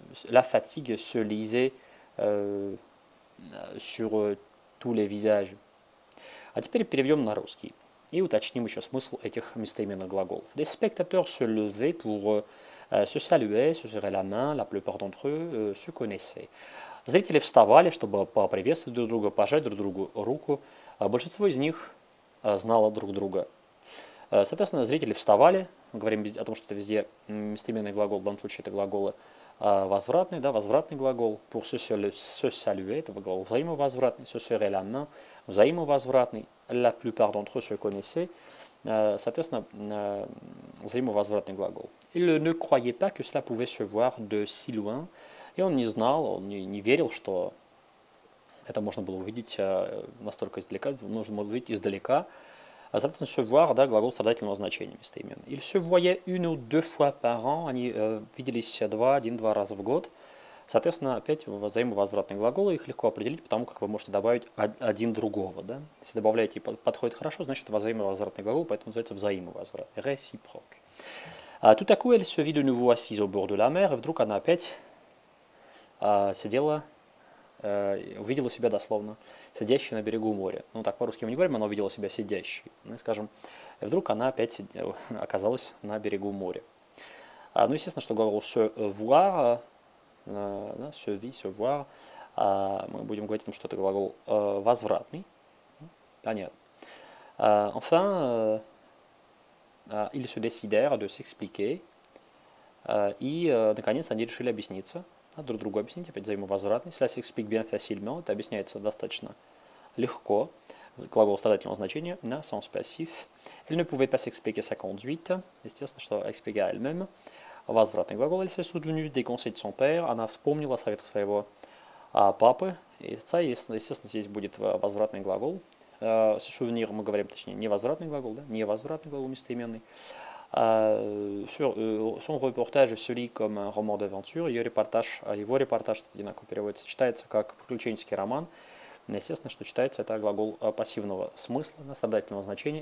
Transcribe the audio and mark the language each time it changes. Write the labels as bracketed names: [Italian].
[French] La fatigue se lisait sur tous les visages. [Russian] А теперь переведем на русский. И уточним еще смысл этих местоименных глаголов. [French] Des spectateurs se levaient pour se saluer, se serrer la main. La plupart d'entre eux se connaissaient. [Russian] Зрители вставали, чтобы поприветствовать друг друга, пожать друг другу руку. Большинство из них знало друг друга. Соответственно, зрители вставали. Мы говорим о том, что это везде местоименный глагол. В данном случае это глаголы возвратный, да, возвратный глагол. [French] Pour se saluer, [Russian] это глагол взаимовозвратный. [French] Se serrer la main, [Russian] взаимовозвратный. [French] La plupart d'entre eux se connaissaient. [Russian] Соответственно, взаимовозвратный глагол. [French] Il ne croyait pas que cela pouvait se voir de si loin. [Russian] Et он не знал, он не верил, что это можно было увидеть настолько издалека. Нужно было увидеть издалека. Соответственно, se voir, да, глагол страдательного значения, местоимен. [French] Ils se voyaient une ou deux fois par an. [Russian] Они виделись один-два раза в год. Соответственно, опять взаимовозвратные глаголы, их легко определить, потому как вы можете добавить один другого. Да? Если добавляете и подходит хорошо, значит взаимовозвратный глагол, поэтому называется взаимовозврат. [French] Réciproque. Tout à coup, elle se vit de nouveau assise au bord de la mer, [Russian] и вдруг она опять сидела, увидела себя дословно, сидящей на берегу моря. Ну, так по-русски мы не говорим, она увидела себя сидящей. Ну, скажем, и вдруг она опять оказалась на берегу моря. Ну, естественно, что глагол «se voir», «se vit», «se voir», мы будем говорить о том, что это глагол возвратный. Понятно. [French] Enfin, ils se décidèrent de s'expliquer. [Russian] И, наконец, они решили объясниться. Друг другу объяснить, опять взаимовозвратный. [French] Cela s'explique bien facilement. [Russian] Это объясняется достаточно легко. Глагол страдательного значения. [French] На sens passif. Elle ne pouvait pas s'expliquer sa conduite. [Russian] Естественно, что [French] expliquer elle-même. [Russian] Возвратный глагол. [French] Elle s'est souvenu des conseils de son père. [Russian] Она вспомнила совет своего папы. И отца. Естественно, здесь будет возвратный глагол. Se souvenir, мы говорим, точнее, невозвратный глагол. Да? Невозвратный глагол, местоименный. [French] Son reportage se lit comme un roman d'aventure. [Russian] Его репортаж одинаково переводится, читается как приключенческий роман. Естественно, что читается это глагол пассивного смысла, страдательного значения.